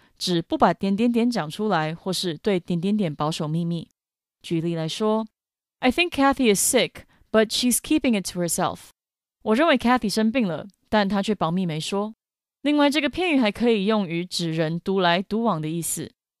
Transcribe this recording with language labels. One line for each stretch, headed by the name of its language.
Chinese: 指不把点点点讲出来或是对点点点保守秘密。举例来说
English: I think Kathy is sick, but she's keeping it to herself.
Chinese: 我认为 Kathy 生病了但她却保密没说。另外这个片语还可以用于指人独来独往的意思。